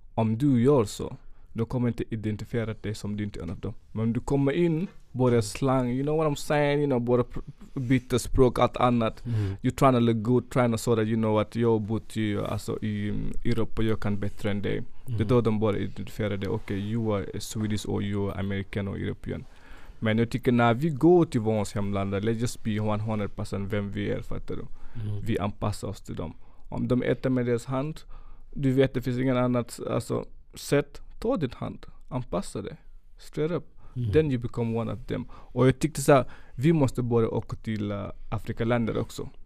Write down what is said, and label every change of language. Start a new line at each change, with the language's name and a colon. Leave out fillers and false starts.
Swedish: Om du gör så, då kommer inte identifiera dig som du inte är en av dem. Men om du kommer in, börjar slang,
English: you know what I'm saying, you know,
Swedish: börjar byta språk, allt annat.
English: You're trying to look good, trying to so that you know what,
Swedish: jag har bott i Europa, jag kan bättre än dig. Det är då de börjar identifiera dig.
English: Okej, okay, you are Swedish or you are American or European.
Swedish: Men jag tycker när vi går till vårt hemland,
English: let's just be 100%
Swedish: vem vi är, fattar du? Vi anpassar oss till dem. Om de äter med deras hand, du vet det finns ingen annat sätt, ta ditt hand, anpassa det,
English: straight up. Then you become one of them.
Swedish: Och jag tyckte så här, vi måste börja åka till Afrikaländer också.